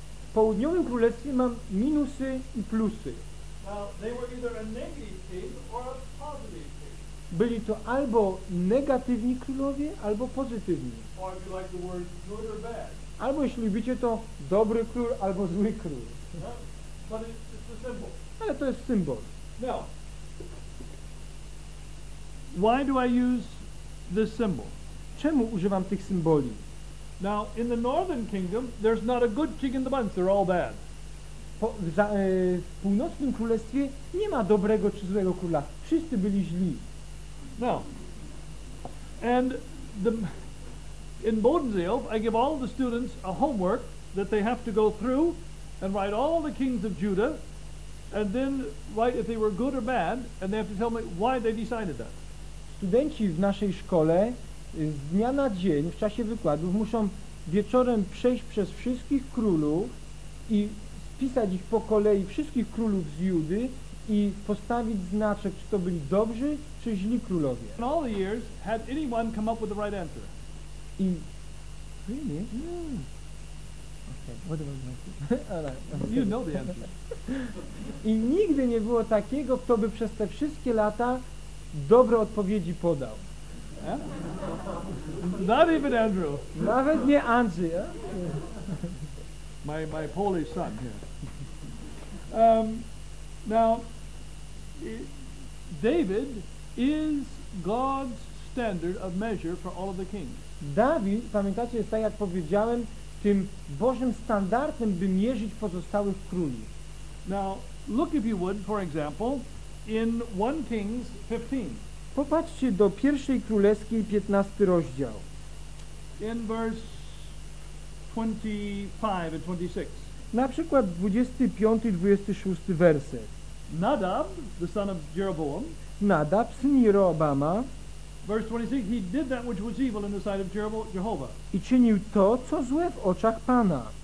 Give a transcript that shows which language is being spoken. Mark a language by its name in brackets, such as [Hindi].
[Polish] W południowym królestwie mam minusy i plusy. [English] Now, they were either a negative king or a positive king. [Polish] Byli to albo negatywni królowie, albo pozytywni. [English] Or if you like the word good or bad. [Polish] Albo jeśli lubicie to dobry król, albo zły król. [English] But it's a symbol. [Polish] Ale to jest symbol. [English] Now, why do I use this symbol? [Polish] Czemu używam tych symboli? [English] Now, in the northern kingdom, there's not a good king in the bunch, they're all bad. [Polish] W północnym królestwie nie ma dobrego czy złego króla, wszyscy byli źli. [English] Now, and the, in Bodensee, I give all the students a homework that they have to go through and write all the kings of Judah, and then write if they were good or bad, and they have to tell me why they decided that. [Polish] Studenci w naszej szkole z dnia na dzień, w czasie wykładów, muszą wieczorem przejść przez wszystkich królów i spisać ich po kolei, wszystkich królów z Judy, i postawić znaczek, czy to byli dobrzy, czy źli królowie. [English] In all the years, had anyone come up with the right answer? I... Really? Yeah. Okay, what about my answer? All right. You know the answer. [Polish] I nigdy nie było takiego, kto by przez te wszystkie lata dobre odpowiedzi podał. [English] Yeah? Not even Andrew. [Polish] Nawet nie Andrzej. Yeah? [English] My Polish son. Yeah. Now, David is God's standard of measure for all of the kings. [Polish] Dawid, pamiętacie, jest tak jak powiedziałem, tym Bożym standardem, by mierzyć pozostałych króli. [English] Now, look if you would, for example, in 1 Kings 15. [Polish] Popatrzcie do pierwszej królewskiej, 15 rozdział. [English] In verse 25 and 26. [Polish] Na przykład 25 i 26 werset. [English] Nadab, the son of Jeroboam. [Polish] Nadab, syn Jerobama. [English] Verse 26, he did that which was evil in the sight of Jehovah. [Polish] I czynił to, co złe w oczach Pana.